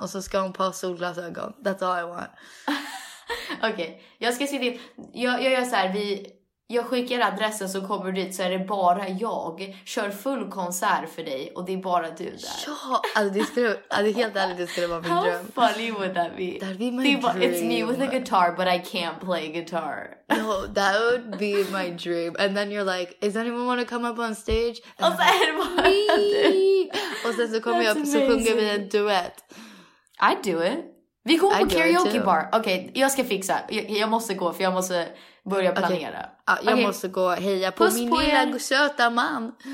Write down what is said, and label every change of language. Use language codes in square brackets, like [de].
[sv] Och så ska hon på solglasögon. [en] That's all I want. [sv] Okej, okay. Jag ska se till, jag gör såhär, vi... jag skickar adressen så kommer du dit, så är det bara jag. Kör full konsert för dig och det är bara du där. Ja, alltså det skulle, alltså helt ärligt, det skulle vara min dröm. [en] How funny would that be? That'd be my dream. It's me with a guitar, but I can't play guitar. No, that would be my dream. And then you're like, is anyone want to come up on stage? [sv] Och sen är det bara du. Och sen så kommer jag upp, så sjunger vi en duett. [en] I'd do it. [sv] Vi går på karaoke bar. Okej, jag ska fixa. Jag måste gå, för jag måste börja planera. [en] Okay. [sv] Jag måste gå och heja på puss min på lilla söta man.